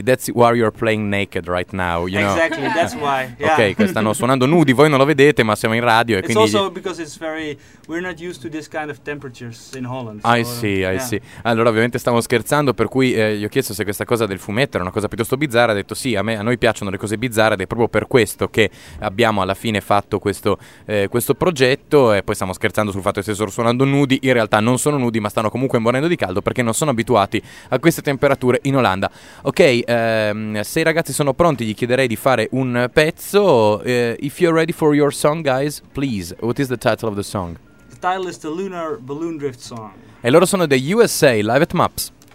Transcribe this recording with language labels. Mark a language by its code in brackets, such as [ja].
[en] That's why you're playing naked right now, you know. Exactly, yeah. That's why. Yeah. [it] Okay, stanno suonando nudi, voi non lo vedete, ma siamo in radio. [en] It's [it] quindi [en] also because it's very... We're not used to this kind of temperatures in Holland. I see. [it] Allora, ovviamente stavo scherzando, per cui gli ho chiesto se questa cosa del fumetto era una cosa piuttosto bizzarra. Ha detto sì, a noi piacciono le cose bizzarre, ed è proprio per questo che abbiamo alla fine fatto questo progetto. E poi stiamo scherzando sul fatto che stessero suonando nudi. In realtà non sono nudi, ma stanno comunque morendo di caldo perché non sono abituati a queste temperature in Olanda. Ok, se i ragazzi sono pronti, gli chiederei di fare un pezzo. [en] If you're ready for your song, guys, please. What is the title of the song? The title is the Lunar Balloon Drift Song. [it] E loro sono The USA, [en] live at [it] MAPS.